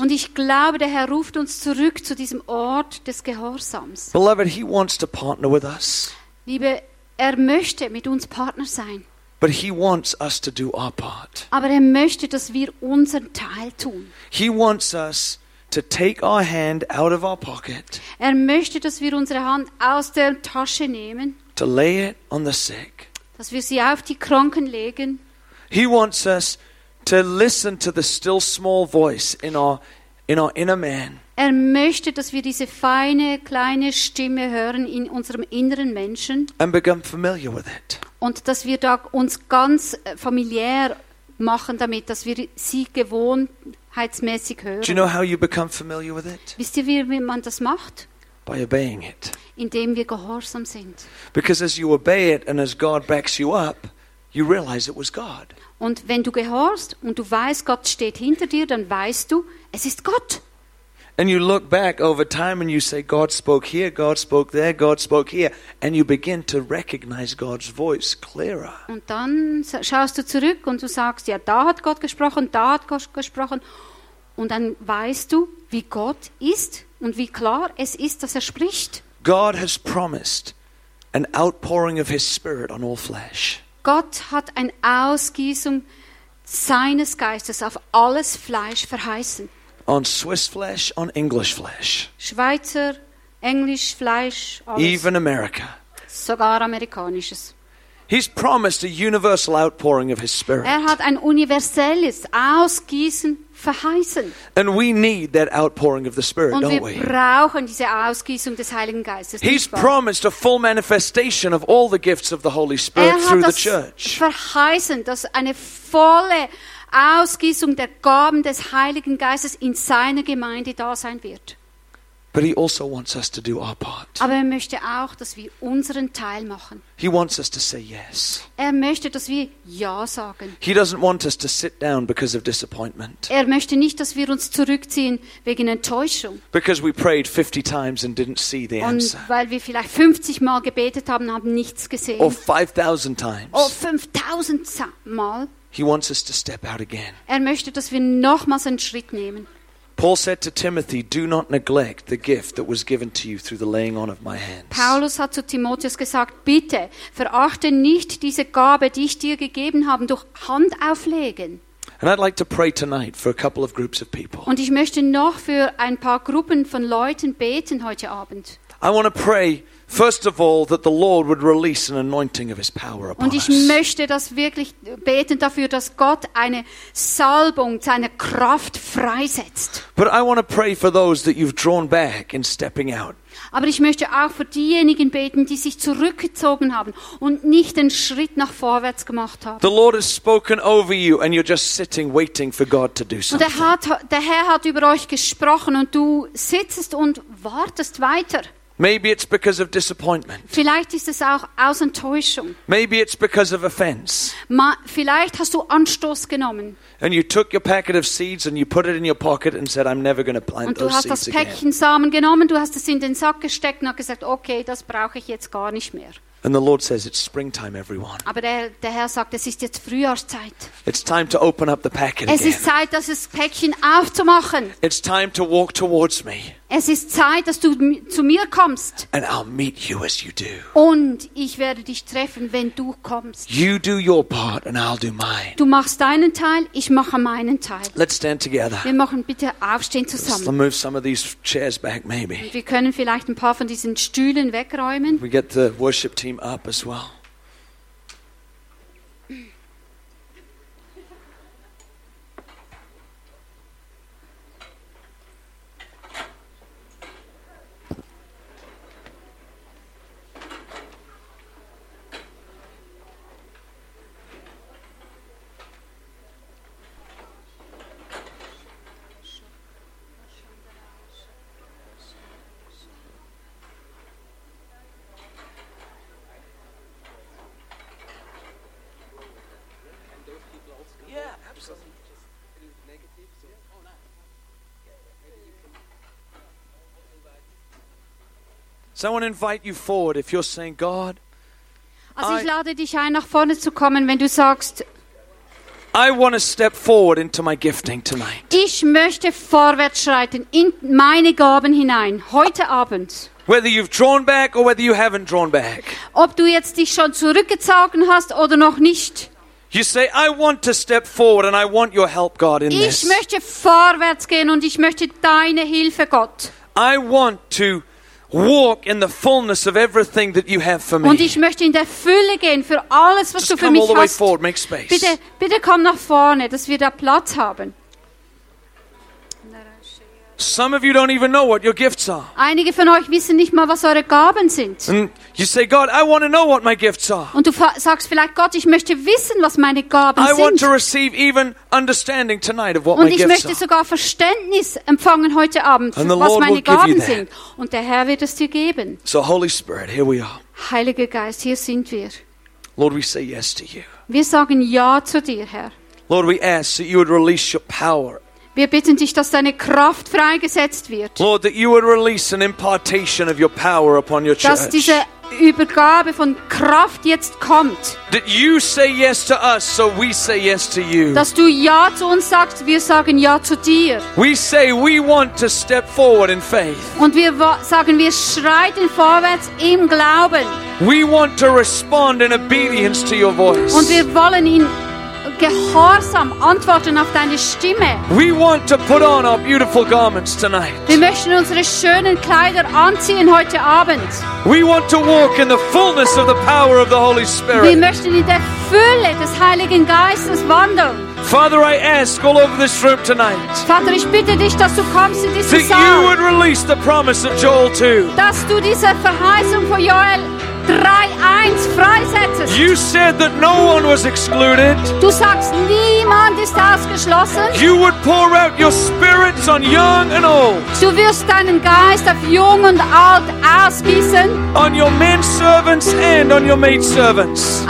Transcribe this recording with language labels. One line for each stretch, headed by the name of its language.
German: Und ich glaube, der Herr ruft uns zurück zu diesem Ort des Gehorsams.
English: Beloved, he wants to partner with us.
German: Liebe, möchte mit uns Partner sein.
English: But he wants us to do our part.
German: Aber möchte, dass wir unseren Teil tun.
English: He wants us to take our hand out of our pocket.
German: Möchte, dass wir unsere Hand aus der Tasche nehmen.
English: To lay it on the sick.
German: Dass wir sie auf die Kranken legen.
English: He wants us to listen to the still small voice in our inner man.
German: Möchte, dass wir diese feine kleine Stimme hören in unserem inneren Menschen.
English: And become familiar with it.
German: Und dass wir da uns ganz familiär machen damit, dass wir sie gewohnheitsmäßig hören.
English: Do you know how you become familiar with it?
German: Wisst ihr, wie man das macht?
English: By obeying it.
German: Indem wir gehorsam sind.
English: Because as you obey it and as God backs you up, you realize it was God.
German: Und wenn du gehorst und du weißt, Gott steht hinter dir, dann weißt du, es ist Gott.
English: And you look back over time and you say, God spoke here, God spoke there, God spoke here, and you begin to recognize God's voice clearer.
German: Und dann schaust du zurück und du sagst, ja, da hat Gott gesprochen, da hat Gott gesprochen, und dann weißt du, wie Gott ist und wie klar es ist, dass spricht.
English: God has promised an outpouring of his spirit on all flesh.
German: Gott hat ein Ausgießung seines Geistes auf alles Fleisch verheißen.
English: On Swiss flesh, on English flesh.
German: Schweizer, Englisch Fleisch, alles.
English: Even America.
German: Sogar amerikanisches.
English: He's promised a universial outpouring of his spirit.
German: Hat ein universelles Ausgießen verheißen.
English: And we need that outpouring of the Spirit,
German: und
English: don't we?
German: Wir brauchen diese Ausgießung des Heiligen Geistes.
English: He's promised a full manifestation of all the gifts of the Holy Spirit through the church.
German: Hat verheißen, dass eine volle Ausgießung der Gaben des Heiligen Geistes in seiner Gemeinde da sein wird.
English: But he also wants us to do our part.
German: Aber möchte auch, dass wir unseren Teil machen.
English: He wants us to say yes.
German: Möchte, dass wir ja sagen.
English: He doesn't want us to sit down because of disappointment.
German: Möchte nicht, dass wir uns zurückziehen wegen Enttäuschung.
English: Because we prayed 50 times and didn't see the answer.
German: Und weil wir vielleicht 50 Mal gebetet haben, haben nichts gesehen.
English: Or 5,000 times.
German: Oder 5,000 Mal.
English: He wants us to step out again.
German: Möchte, dass wir nochmals einen Schritt nehmen.
English: Paul said to Timothy, "Do not neglect the gift that was given to you through the laying on of my hands."
German: Paulus hat zu Timotheus gesagt, bitte verachte nicht diese Gabe, die ich dir gegeben habe, durch Handauflegen.
English: And I'd like to pray tonight for a couple of groups of people.
German: Und ich möchte noch für ein paar Gruppen von Leuten beten heute Abend.
English: I want to pray first of all that the Lord would release an anointing of his power upon us.
German: Und ich möchte das wirklich beten dafür, dass Gott eine Salbung seiner Kraft freisetzt.
English: But I want to pray for those that you've drawn back in stepping out.
German: Aber ich möchte auch für diejenigen beten, die sich zurückgezogen haben und nicht den Schritt nach vorwärts gemacht haben.
English: The Lord has spoken over you and you're just sitting waiting for God to do something.
German: Und der Herr hat über euch gesprochen und du sitzt und wartest weiter.
English: Maybe it's because of disappointment.
German: Vielleicht ist es auch aus Enttäuschung.
English: Maybe it's because of offense.
German: Vielleicht hast du Anstoß genommen.
English: And you took your packet of seeds and you put it in your pocket and said, "I'm never going to plant those seeds again."
German: Und du hast das Päckchen Samen genommen, du hast es in den Sack gesteckt und hast gesagt, okay, das brauche ich jetzt gar nicht mehr.
English: And the Lord says, it's springtime, everyone.
German: Aber der Herr sagt, es ist jetzt Frühjahrszeit.
English: It's time to open up the packet again.
German: Es ist Zeit, das Päckchen aufzumachen.
English: It's time to walk towards me.
German: Es ist Zeit, dass du zu mir kommst.
English: And I'll meet you as you do.
German: Und ich werde dich treffen, wenn du kommst.
English: You do your part and I'll do mine.
German: Du machst deinen Teil, ich mache meinen Teil.
English: Let's stand together.
German: Wir machen bitte aufstehen zusammen.
English: Let's move some of these chairs back, maybe.
German: Wir können vielleicht ein paar von diesen Stühlen wegräumen.
English: We get the worship team up as well. So I want to invite you forward if you're saying, God.
German: Also ich lade dich ein, nach vorne zu kommen, wenn du sagst,
English: I want to step forward into my gifting tonight.
German: Ich möchte vorwärts schreiten in meine Gaben hinein heute Abend.
English: Whether you've drawn back or whether you haven't drawn back.
German: Ob du jetzt dich schon zurückgezogen hast oder noch nicht.
English: You say, I want to step forward and I want your help, God, in
German: ich
English: this.
German: Ich möchte vorwärts gehen und ich möchte deine Hilfe, Gott.
English: I want to walk in the fullness of everything that you have for me.
German: Und ich möchte in der Fülle gehen für alles, was
English: just
German: du für mich
English: all the
German: hast.
English: Way forward, make space.
German: Bitte, bitte komm nach vorne, dass wir da Platz haben.
English: Some of you don't even know what your gifts are.
German: Einige von euch wissen nicht mal, was eure Gaben sind.
English: And you say, God, I want to know what my gifts are.
German: Und du sagst vielleicht, Gott, ich möchte wissen, was meine Gaben
English: I
German: sind.
English: I want to receive even understanding tonight of what
German: und
English: my gifts are.
German: Und ich möchte sogar Verständnis empfangen heute Abend,
English: and
German: was
English: the Lord
German: meine
English: will
German: Gaben
English: give you that.
German: Sind. Und der Herr wird es dir geben.
English: So Holy Spirit, here we are.
German: Heiliger Geist, hier sind wir.
English: Lord, we say yes to you.
German: Wir sagen ja zu dir, Herr.
English: Lord, we ask that you would release your power.
German: Wir bitten dich, dass deine Kraft freigesetzt wird.
English: Lord, that you would release an impartation of your power upon your church.
German: Dass diese Übergabe von Kraft jetzt kommt.
English: That you say yes to us, so we say yes to you.
German: Dass du ja zu uns sagst, wir sagen ja zu dir.
English: We say we want to step forward in faith.
German: Und wir sagen, wir schreiten vorwärts im Glauben.
English: We want to respond in obedience to your voice.
German: Und wir wollen ihn gehorsam antworten auf deine Stimme.
English: We want to put on our beautiful garments tonight.
German: Wir möchten unsere schönen Kleider anziehen heute Abend.
English: We want to walk in the fullness of the power of the Holy Spirit.
German: Wir möchten in der Fülle des Heiligen Geistes wandeln.
English: Father, I ask all over this room tonight.
German: Vater, ich bitte dich, dass du kommst in diesen Saal.
English: That you would release the promise of Joel 2.
German: Dass du diese Verheißung von Joel 3:1 freisetzest.
English: You said that no one was excluded.
German: Du sagst, niemand ist ausgeschlossen.
English: You would pour out your spirits on young and old.
German: Du wirst deinen Geist auf jung und alt ausgießen.
English: On your men servants and on your maid servants.